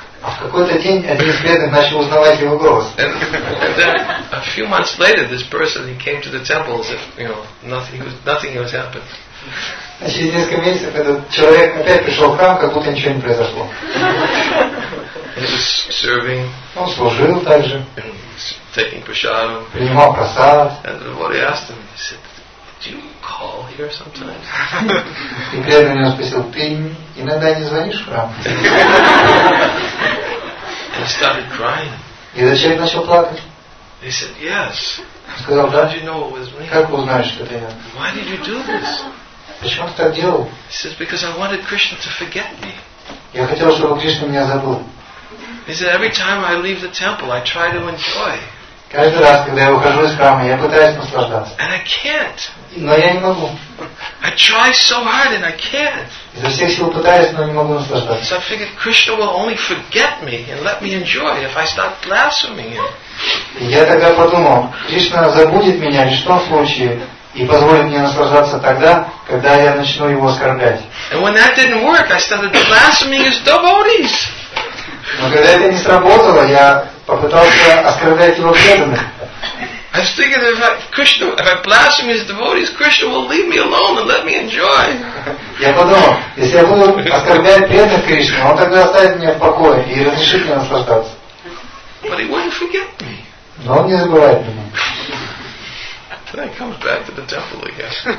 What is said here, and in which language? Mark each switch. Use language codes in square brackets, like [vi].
[ru] А в какой-то день один из преданных начал узнавать его голос. [en] And then, a few months later, this person, he came to the temple as if, you know, nothing has happened. [ru] А через несколько месяцев этот человек опять пришел в храм, как будто ничего не произошло. [en] He was serving. [ru] Он служил также. [en] Taking prasadam. [ru] Принимал прасад. [en] And the devotee asked him, he said, do you call here sometimes? [ru] И преданный ему спросил, ты иногда не звонишь в храм? [en] And he started crying. [ru] И этот человек начал плакать. [en] He said, yes. [ru] Сказал, да. [en] How did you know it was me? [ru] Как вы узнали, что это я? [en] Why did you do this? [ru] Почему ты так делал? [en] He says, because I wanted Krishna to forget me. [ru] Я хотел, чтобы Кришна меня забыл. [en] He said, every time I leave the temple, I try to enjoy. [ru] Каждый раз, когда я ухожу из храма, я пытаюсь наслаждаться. [en] And I can't. [ru] Но я не могу. [en] I try so hard and I can't. [ru] Изо всех сил пытаюсь, но не могу наслаждаться. [en] So I figured Krishna will only forget me and let me enjoy if I start blaspheming him. [ru] Я тогда подумал, Кришна забудет меня лишь в том случае и позволит мне наслаждаться тогда, когда я начну его оскорблять. [en] And when that didn't work, I started blaspheming his devotees. [ru] Но когда это не сработало, я попытался оскорблять его преданных. [en] I was thinking if I blaspheme his devotees, Krishna will leave me alone and let me enjoy. [ru] Я подумал, если я буду оскорблять преданных Кришны, он тогда оставит меня в покое и разрешит мне наслаждаться. [en] But he won't forget me. [ru] Но он не забывает меня. [en] Then he comes back to the temple again.